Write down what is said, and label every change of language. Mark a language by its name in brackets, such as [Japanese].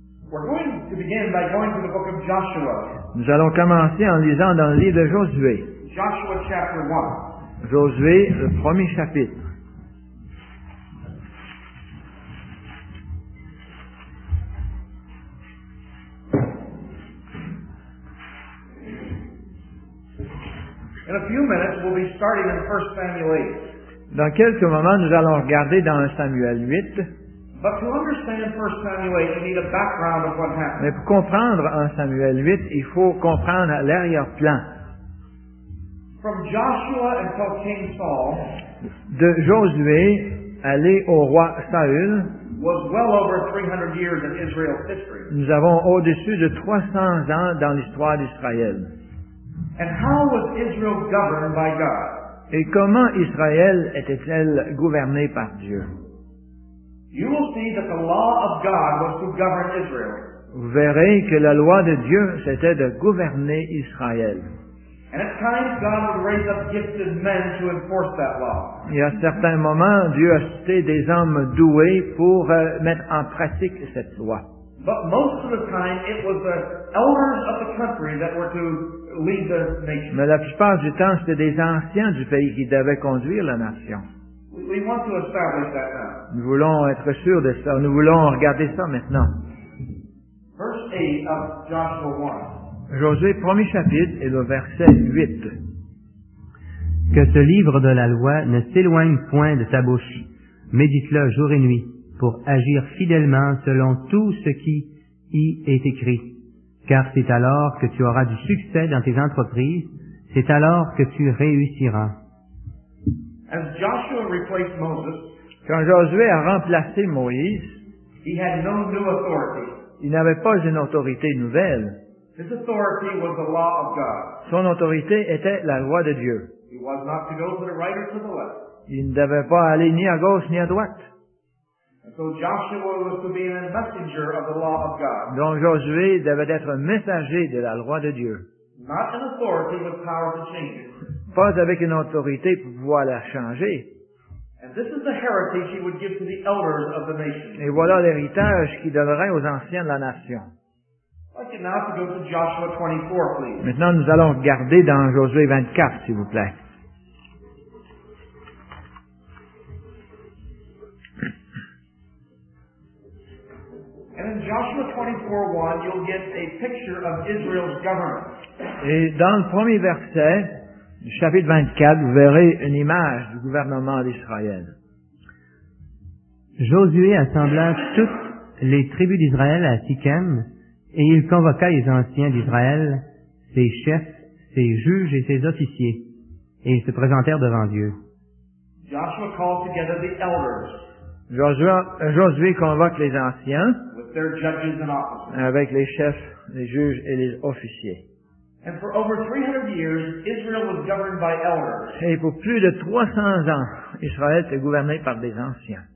[English] We're going to begin by going to the book of Joshua. [French] Nous allons commencer en lisant dans le livre de Josué. [English] Joshua chapter 1. [French] Josué, le premier chapitre. [English] In a few minutes, we'll be starting in 1 Samuel 8. [French] Dans quelques moments, nous allons regarder dans 1 Samuel 8. [English] But to understand 1 Samuel 8, you need a background of what happened. [French] Mais pour comprendre 1 Samuel 8, il faut comprendre l'arrière-plan. [English] From Joshua until King Saul, [French] de Josué aller au roi Saül, [English] was well over 300 years in Israel's history. [French] Nous avons au-dessus de 300 ans dans l'histoire d'Israël. [English] And how was Israel governed by God? [French] Et comment Israël était-elle gouvernée par Dieu? [English] You will see that the law of God was to govern Israel. [French] Vous verrez que la loi de Dieu, c'était de gouverner Israël. [English] And at times God would raise up gifted men to enforce that law. [French] Et à certains moments, Dieu a cité des hommes doués pour mettre en pratique cette loi. [English] But most of the time, it was the elders of the country that were to lead the nation. [French] Mais la plupart du temps, c'était des anciens du pays qui devaient conduire la nation. [English] We want to establish that now. [French] Nous voulons être sûrs de ça. Nous voulons regarder ça maintenant. [English] Verse 8 of Joshua 1. [French] Josué, premier chapitre, et le verset 8. Que ce livre de la loi ne s'éloigne point de ta bouche. Médite-le jour et nuit, pour agir fidèlement selon tout ce qui y est écrit. Car c'est alors que tu auras du succès dans tes entreprises, c'est alors que tu réussiras. [English] As Joshua replaced Moses, [French] quand Josué a remplacé Moïse, [English] he had no new authority. [French] Il n'avait pas une autorité nouvelle. [English] His authority was the law of God. [French] Son autorité était la loi de Dieu. [English] He was not to go to the right or to the left. [French] Il ne devait pas aller ni à gauche ni à droite. [English] And so Joshua was to be a messenger of the law of God. [French] Donc Josué devait être un messager de la loi de Dieu. [English] Not an authority with power to change it. [French] Pas avec une autorité pour pouvoir la changer. [English] And this is the heritage he would give to the elders of the nation. [French] Et voilà l'héritage qu'il donnerait aux anciens de la nation. [English] Now to go to Joshua 24, please. [French] Maintenant, nous allons regarder dans Josué 24, s'il vous plaît. [English] And in Joshua 24:1, you'll get a picture of Israel's government. [French] Et dans le premier verset du chapitre 24, vous verrez une image du gouvernement d'Israël. Josué assembla toutes les tribus d'Israël à Sichem. Et il convoqua les anciens d'Israël, ses chefs, ses juges et ses officiers, et ils se présentèrent devant Dieu. [English] Joshua called together the elders. [French] Josué convoque les anciens [English] with their judges and officers. [French] Avec les chefs, les juges et les officiers. [English] And for over 300 years, Israel was governed by elders. [French] Et pour plus de 300 ans, Israël était gouverné par des anciens.